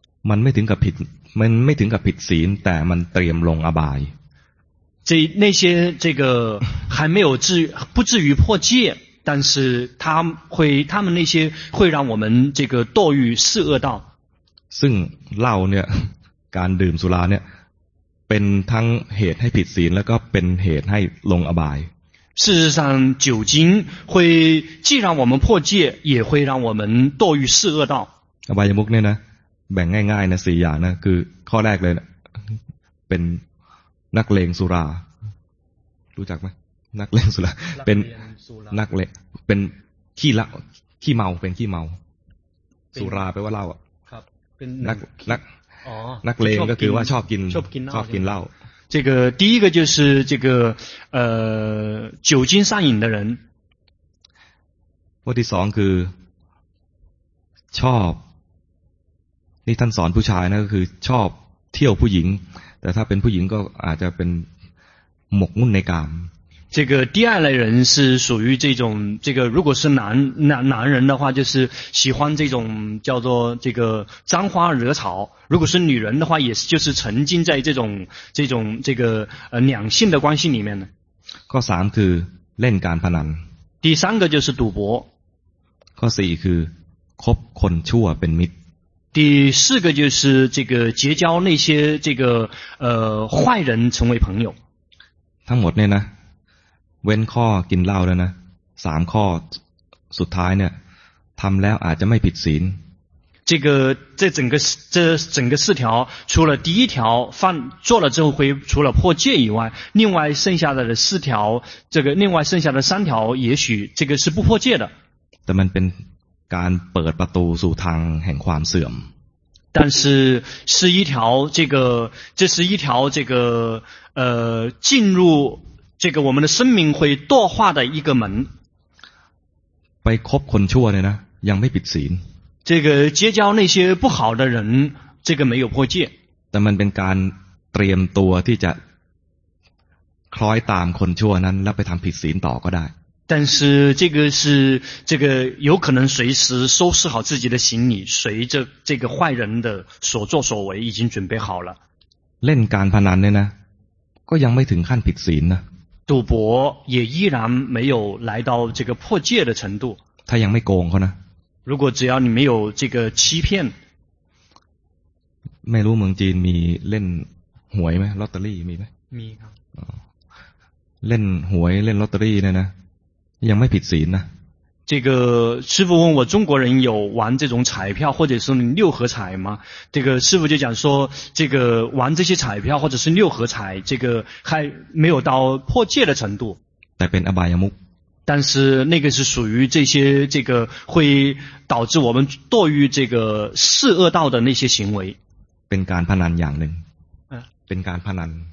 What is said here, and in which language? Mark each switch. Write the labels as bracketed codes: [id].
[th] มันไม่ถึงกับผิดมันไม่ถึงกับผิดศีลแต่มันเตรียมลงอบาย [zh] 这那些这个还没有至不至于破戒但是他们那些会让我们这个堕于四恶道 [th] ซึ่งเหล้าเนี่ยการดื่มสุราเนี่ยเป็นทั้งเหตุให้ผิดศีลแล้วก็เป็นเหตุให้ลงอบาย [zh] 事实上酒精会既让我们破戒也会让我们堕于四恶道 [th] อบายมุขเนี่ยนะแบ่งง่ายๆนะสี่อย่างนะคือข้อแรกเลยนะเป็นนักเลงสุรารู้จักไหมนักเลงสุราเป็นนักเลงเป็นขี้ละขี้เมาเป็นขี้เมาสุราแปลว่าเหล้าอ่ะ ครับเป็น นัก อ๋อ นักเลงก็คือว่า ชอบกิน เหล้า [zh] 这个第一个就是这个酒精上瘾的人 [th] ข้อที่สองคือชอบนี่ท่านสอนผู้ชายนะก็คือชอบเที่ยวผู้หญิงแต่ถ้าเป็นผู้หญิงก็อาจจะเป็นหมกมุ่นในกาม [zh] 这个第二类人是属于这种这个如果是男人的话就是喜欢这种叫做这个沾花惹草如果是女人的话也是就是沉浸在这种这个两性的关系里面呢 [th] ข้อ3คือเล่นการพนัน [zh] 第三个就是赌博 [th] ข้อ4คือคบคนชั่วเป็นมิตร [zh] 第四个就是这个结交那些这个坏人成为朋友 [th] ทั้งหมดเนี่ยนะเว้นข้อกินเหล้าแล้วนะสามข้อสุดท้ายเนี่ยทำแล้วอาจจะไม่ผิดศีล [zh] 这个这整个四条除了第一条犯做了之后会除了破戒以外另外剩下的四条这个另外剩下的三条也许这个是不破戒的 [th] แต่มันเป็นการเปิดประตูสู่ทางแห่งความเสื่อม [zh] 但是是一条这个这是一条这个进入这个我们的生命会堕化的一个门 [th] ไปคบคนชั่วเนี่ยนะยังไม่ผิดศีล [zh] 这个结交那些不好的人这个没有破戒 [th] แต่มันเป็นการเตรียมตัวที่จะคล้อยตามคนชั่วนั้นแล้วไปทำผิดศีลต่อก็ได้ [zh] 但是这个是这个有可能随时收拾好自己的行李随着这个坏人的所作所为已经准备好了 [th] เล่นการพนันเนี่ยนะก็ยังไม่ถึงขั้นผิดศีลนะ [zh] 赌博也依然没有来到这个破戒的程度他 [th] ยังไม่โกงเขานะ [zh] 如果只要你没有这个欺骗 [th] ไม่รู้เมืองจีนมีเล่นหวยไหมลอตเตอรี่มีไหม มีครับ เล่นหวยเล่นลอตเตอรี่เนี่ยนะยังไม่ผิดศีลนะ [zh] 这个师父问我中国人有玩这种彩票或者是六合彩吗这个师父就讲说这个玩这些彩票或者是六合彩这个还没有到破戒的程度 [th] แต่เป็นอบายมุข [zh] 但是那个是属于这些这个会导致我们堕于这个四恶道的那些行为 [th] เป็นการพนันอย่างหนึ่งเป็นการพนัน